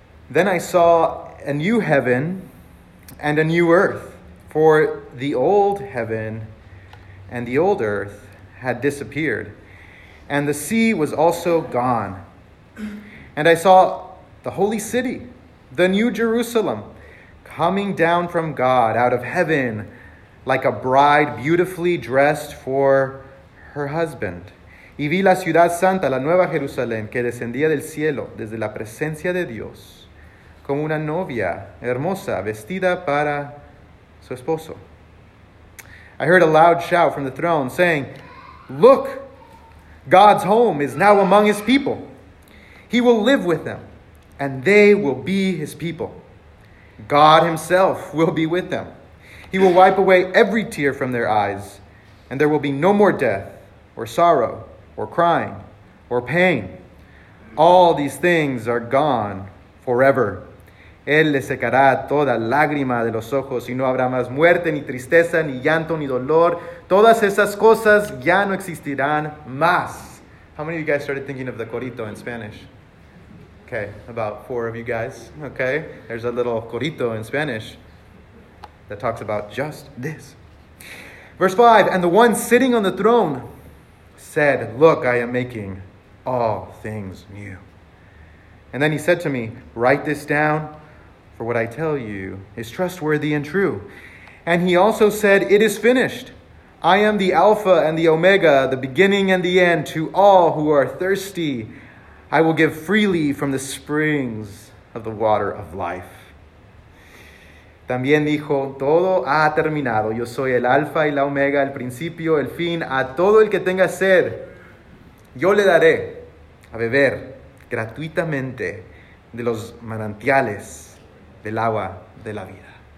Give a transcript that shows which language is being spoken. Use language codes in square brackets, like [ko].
[en] Then I saw a new heaven and a new earth, for the old heaven and the old earth had disappeared, and the sea was also gone. And I saw the holy city, the new Jerusalem, coming down from God out of heaven like a bride beautifully dressed for her husband. [es] Y vi la ciudad santa, la nueva Jerusalén, que descendía del cielo desde la presencia de Dios, como una novia hermosa vestida para su esposo. [en] I heard a loud shout from the throne saying, "Look, God's home is now among his people. He will live with them, and they will be his people. God himself will be with them. He will wipe away every tear from their eyes, and there will be no more death, or sorrow, or crying, or pain. All these things are gone forever. [es] Él le secará toda lágrima de los ojos, y no habrá más muerte, ni tristeza, ni llanto, ni dolor. Todas esas cosas ya no existirán más." [en] How many of you guys started thinking of the corito in Spanish? Okay, about 4 of you guys. Okay, there's a little corito in Spanish that talks about just this. Verse 5, "And the one sitting on the throne said, 'Look, I am making all things new.' And then he said to me, 'Write this down, for what I tell you is trustworthy and true.' And he also said, 'It is finished. I am the Alpha and the Omega, the beginning and the end. To all who are thirsty, I will give freely from the springs of the water of life.'" [es] También dijo, "Todo ha terminado. Yo soy el Alfa y la Omega, el principio, el fin. A todo el que tenga sed, yo le daré a beber gratuitamente de los manantiales del agua de la vida."